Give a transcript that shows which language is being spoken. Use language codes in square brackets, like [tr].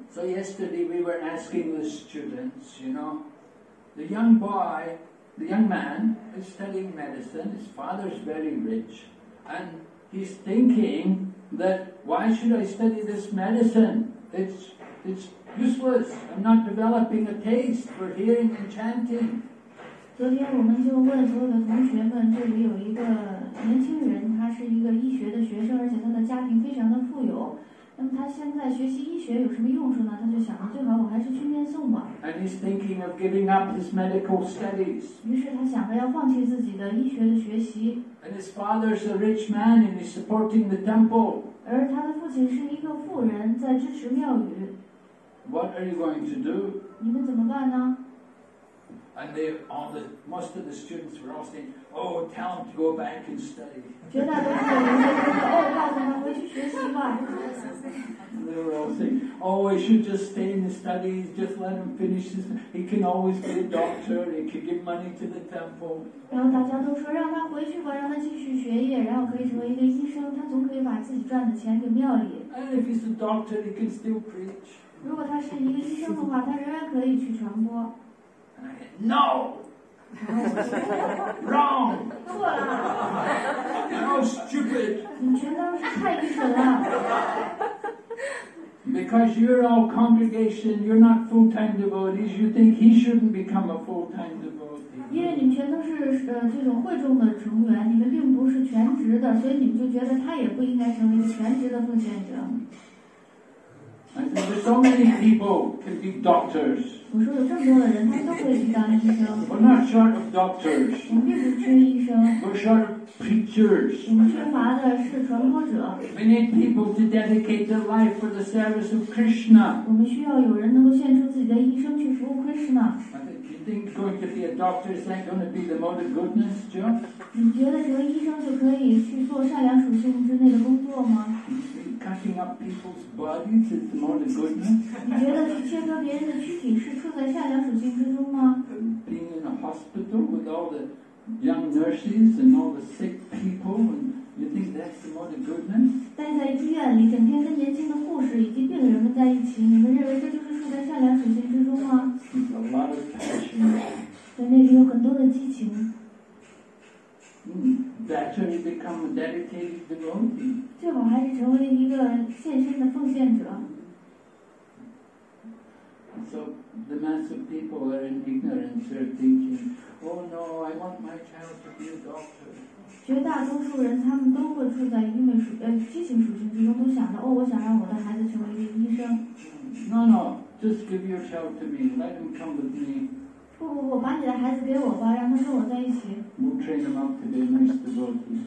[en] So yesterday we were asking the students, you know, the young boy. The young man is studying medicine. His father is very rich, and he's thinking that why should I study this medicine? It's useless. I'm not developing a taste for hearing and chanting. [zh] 昨天我们就问所有的同学们，这里有一个年轻人，他是一个医学的学生，而且他的家庭非常的富有。那么他现在学习医学有什么用处呢？他就想着最好我还是去念诵吧。 [en] And he's thinking of giving up his medical studies. [zh] 于是他想着要放弃自己的医学的学习。 [en] And his father's a rich man and he's supporting the temple. [zh] 而他的父亲是一个富人，在支持庙宇。 [en] What are you going to do? [zh] 你们怎么办呢？ [en] And they, all the, most of the students were all saying, "Oh, tell him to go back and study." [zh] 绝大多数人都说，哦，告诉他回去学习吧。 [en] They were all saying, oh, he should just stay in the studies, just let him finish his, he can always be a doctor, he can give money to the temple. [zh] 然后大家都说让他回去吧，让他继续学业，然后可以成为一个医生，他总可以把自己赚的钱给庙里。 [en] And if he's a doctor, he can still preach. [zh] 如果他是一个医生的话，他仍然可以可以去传播。 [en] No. Wrong. [zh] 错了。 [en] How stupid. [zh] 你全都是太愚蠢了。 [en] Because you're all congregation, you're not full-time devotees, you think he shouldn't become a full-time devotee. [zh] 因为你们全都是这种会众的成员，你们并不是全职的，所以你们就觉得他也不应该成为全职的奉献者。 [en] And so many people can be doctors. [zh] 我说有这么多的人，他都可以当医生。 [en] We're not short of doctors. [zh] 我们并不缺医生。 [en] We're short of preachers. [zh] 我们缺乏的是传播者。 [en] We need people to dedicate their life for the service of Krishna. [zh] 我们需要有人能够献出自己的一生去服务 Krishna。 [en] Think going to be a doctor is that going to be the mode of goodness, Joe? [zh] 你觉得成为医生就可以去做善良属性之内的工作吗？ [en] Cutting up people's bodies is the mode of goodness? [zh] 你觉得去切割别人的躯体是处在善良属性之中吗？ [en] Being in a hospital with all the young nurses and all the sick people, and you think that's the mode of goodness? [zh] 待在医院里，整天跟年轻的护士以及病人们在一起，你们认为这就是？在善良属性之中吗？在那里有很多的激情。 [en] Better become a dedicated devotee. [zh] 最好还是成为一个献身的奉献者。 [en] So the mass of people are in ignorance, they're thinking, "Oh no, I want my child to be a doctor." [zh] 绝大多数人他们都会处在愚昧属激情属性之中，都想着哦，我想让我的孩子成为一个医生。 [en] No, no. Just give your child to me. Let him come with me. [zh] 不不不，把你的孩子给我吧，让他跟我在一起。 [en] We'll train him up to be a nice devotee.